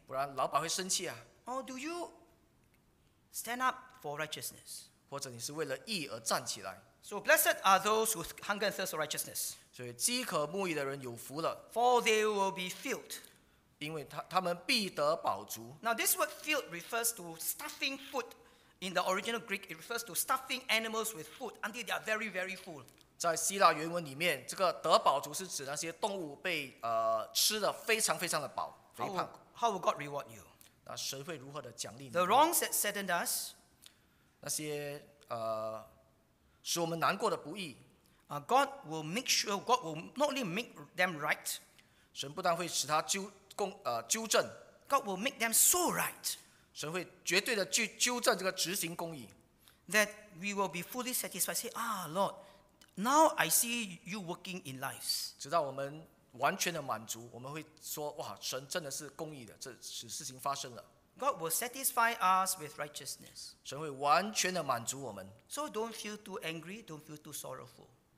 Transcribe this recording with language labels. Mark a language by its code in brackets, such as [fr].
[zh] 不然老板会生气啊。 [en] Or do you stand up for righteousness? [zh] 或者你是为了义而站起来。 [en] So blessed are those who hunger and thirst for righteousness. [zh] 所以饥渴慕义的人有福了。 [en] For they will be filled. [zh] 因为他们必得饱足。 [en] Now this word filled refers to stuffing food. In the original Greek, it refers to stuffing animals with food until they are very, very full. [zh] 在希腊原文里面, 这个得饱足是指那些动物被, 吃得非常非常的饱, 肥胖。 [en] How will God reward you? [zh] 那神会如何的奖励你? [en] The wrongs that saddened us, [zh] 那些, 使我们难过的不义, [en] God will make sure, God will not only make them right, [zh] 神不但会使他纠, 纠正, [en] God will make them so right, [zh] 神会绝对的纠正这个执行公义, [en] that we will be fully satisfied, say, ah, Lord, now I see you working in lives. [zh] 直到我们完全的满足, 我们会说, 哇, 神真的是公义的, 这使事情发生了。 [en] God will satisfy us with righteousness. [zh] 神会完全的满足我们。 [en] So don't feel too angry, don't feel too sorrowful.